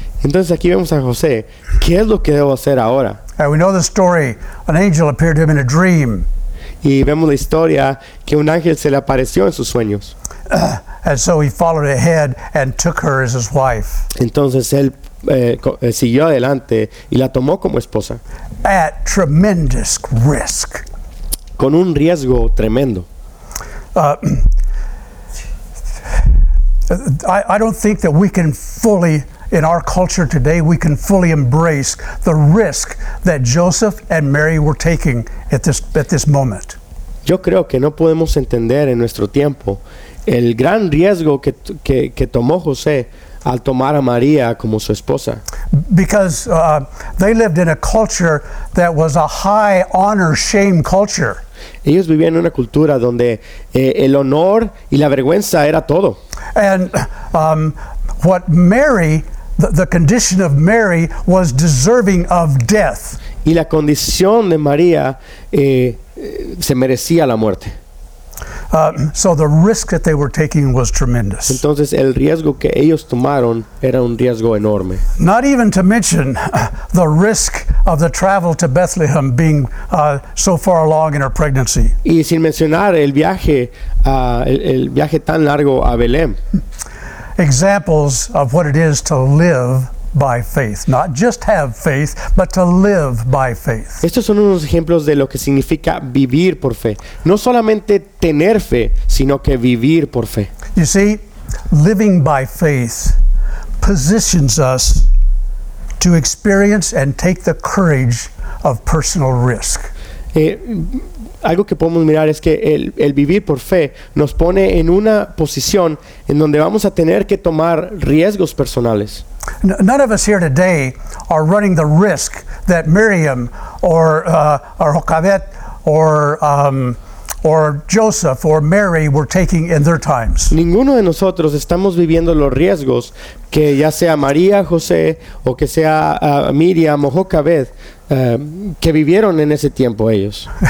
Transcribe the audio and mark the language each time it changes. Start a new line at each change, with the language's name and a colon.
Spanish: Entonces aquí vemos a José. ¿Qué es lo que debo hacer ahora?
English: And we know the story. An angel appeared to him in a dream.
Spanish: Y vemos la historia que un ángel se le apareció en sus sueños.
English: And so he followed ahead and took her as his wife.
Spanish: Entonces él siguió adelante y la tomó como esposa.
English: At tremendous risk.
Spanish: Con un riesgo tremendo.
English: I don't think that we can fully in our culture today, we can fully embrace the risk that Joseph and Mary were taking at this moment.
Spanish: Yo creo que no podemos entender en nuestro tiempo el gran riesgo que tomó José al tomar a María como su esposa.
English: Because they lived in a culture that was a high honor shame culture.
Spanish: Ellos vivían en una cultura donde el honor y la vergüenza era todo.
English: And what Mary, the condition of Mary was deserving of death.
Spanish: Y la condición de María se merecía la muerte.
English: So the risk that they were taking was tremendous.
Spanish: Entonces el riesgo que ellos tomaron era un riesgo enorme.
English: Not even to mention the risk of the travel to Bethlehem being so far along in her pregnancy.
Spanish: Y sin mencionar el viaje tan largo a Belén.
English: Examples of what it is to live by faith, not just have faith, but to live by faith.
Spanish: Estos son unos ejemplos de lo que significa vivir por fe. No solamente tener fe, sino que vivir por fe.
English: You see, living by faith positions us to experience and take the courage of personal risk.
Spanish: Algo que podemos mirar es que el vivir por fe nos pone en una posición en donde vamos a tener que tomar riesgos personales.
English: None of us here today are running the risk that Miriam or Jochebed or Joseph or Mary were taking in their times.
Spanish: Ninguno de nosotros estamos viviendo los riesgos que ya sea María, José o que sea Miriam o Jochebed que vivieron en ese tiempo ellos.